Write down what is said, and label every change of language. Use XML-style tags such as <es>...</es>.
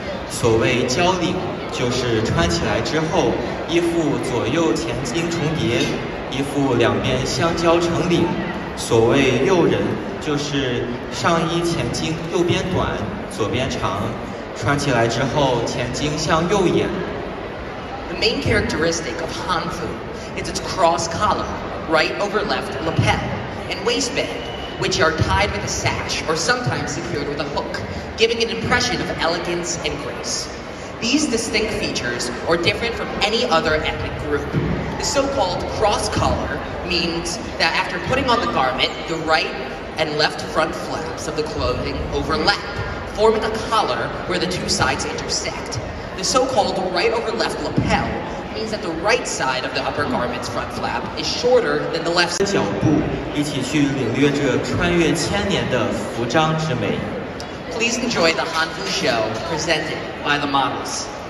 <zh>所谓交领，就是穿起来之后，衣服左右前襟重叠，衣服两边相交成领。所谓诱人，就是上衣前襟右边短，左边长，穿起来之后前襟向右掩。</zh> <en>The main characteristic of Hanfu is its cross collar, right over left lapel, and waistband, which are tied with a sash or sometimes secured with a hook, giving an impression of elegance and grace. These distinct features are different from any other ethnic group. The so-called cross collar means that after putting on the garment, the right and left front flaps of the clothing overlap, forming a collar where the two sides intersect. The so-called right over left lapel means that the right side of the upper garment's front flap is shorter than the left</en> <zh>side. 脚步一起去领略这穿越千年的服装之美。</zh> <en>Please enjoy the Hanfu show presented by the models.</en>